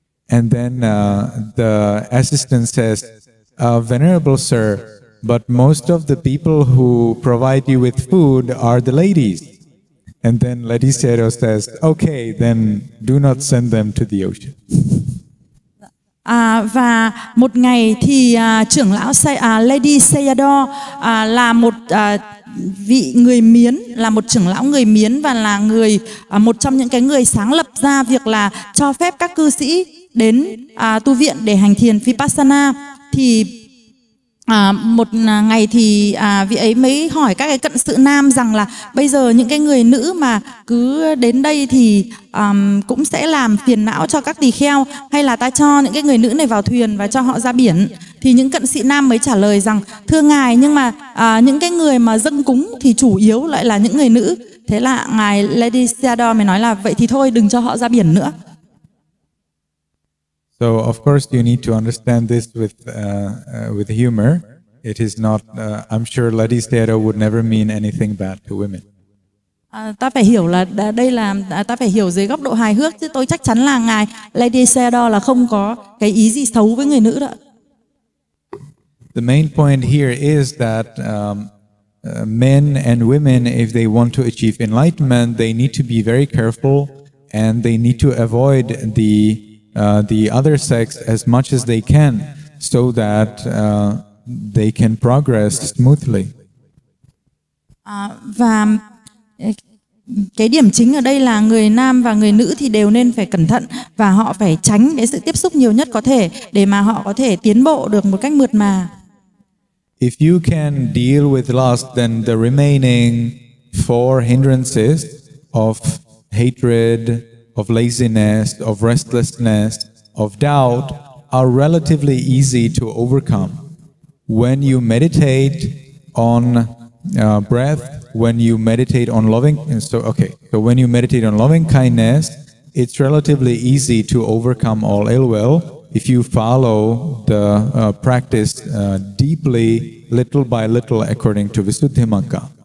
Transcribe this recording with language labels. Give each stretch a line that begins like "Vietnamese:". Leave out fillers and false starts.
English: And then the assistant says, venerable sir, but most of the people who provide you with food are the ladies. And then Lady Sero says, okay, then do not send them to the ocean.
Vietnamese: Và một ngày thì trưởng lão Lady Sayado là một vị người Miến, là một trưởng lão người Miến và là người một trong những cái người sáng lập ra việc là cho phép các cư sĩ đến tu viện để hành thiền Vipassana. Thì một ngày thì vị ấy mới hỏi các cái cận sự nam rằng là bây giờ những cái người nữ mà cứ đến đây thì cũng sẽ làm phiền não cho các tỳ kheo, hay là ta cho những cái người nữ này vào thuyền và cho họ ra biển. Thì những cận sĩ nam mới trả lời rằng thưa ngài, nhưng mà những cái người mà dâng cúng thì chủ yếu lại là những người nữ. Thế là ngài Lady Seado mới nói là vậy thì thôi, đừng cho họ ra biển nữa.
English: So of course you need to understand this with humor. It is not. I'm sure Lady Sero would never mean anything bad to women.
Vietnamese: Ta phải hiểu là đây là ta phải hiểu dưới góc độ hài hước, chứ tôi chắc chắn là ngài Lady Sero là không có cái ý gì xấu với người nữ đó.
English: The main point here is that men and women, if they want to achieve enlightenment, they need to be very careful and they need to avoid the other sex as much as they can, so that they can progress smoothly.
Vietnamese: Và cái điểm chính ở đây là người nam và người nữ thì đều nên phải cẩn thận và họ phải tránh cái sự tiếp xúc nhiều nhất có thể để mà họ có thể tiến bộ được một cách mượt mà.
English: If you can deal with lust, then the remaining four hindrances of hatred, of laziness, of restlessness, of doubt are relatively easy to overcome. When you meditate on breath, when you meditate on loving, and so when you meditate on loving kindness, it's relatively easy to overcome all ill will if you follow the practice deeply, little by little, according to Visuddhimagga.